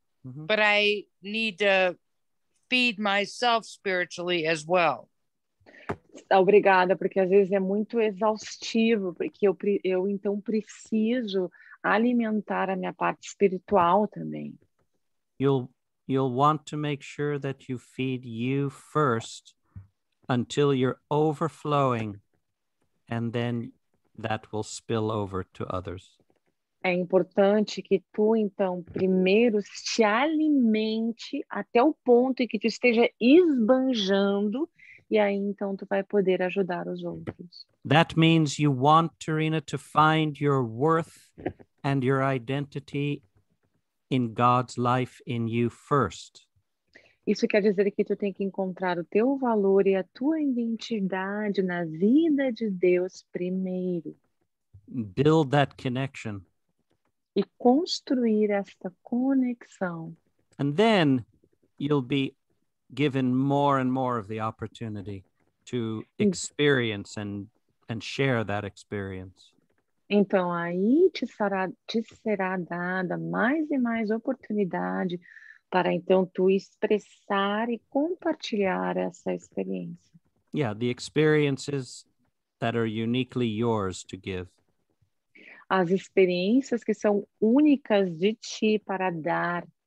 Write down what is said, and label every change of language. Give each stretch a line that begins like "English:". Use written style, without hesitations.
English: But I need to feed myself spiritually as well.
Portuguese: Obrigada, porque às vezes é muito exaustivo, porque eu então preciso alimentar a minha parte espiritual também.
English: You'll want to make sure that you feed you first until you're overflowing, and then that will spill over to others.
Portuguese: É importante que tu, então, primeiro se alimente até o ponto em que tu esteja esbanjando, e aí, então, tu vai poder ajudar os outros.
English: That means you want, Tarina, to find your worth and your identity in God's life in you first.
Portuguese: Isso quer dizer que tu tem que encontrar o teu valor e a tua identidade na vida de Deus primeiro.
English: Build that connection.
Portuguese: E construir esta conexão.
English: And then you'll be given more and more of the opportunity to experience and share that experience.
Portuguese: Então aí te será dada mais e mais oportunidade para então tu expressar e compartilhar essa experiência.
English: Yeah, the experiences that are uniquely yours to give.
Portuguese: As experiências que são únicas de ti para dar.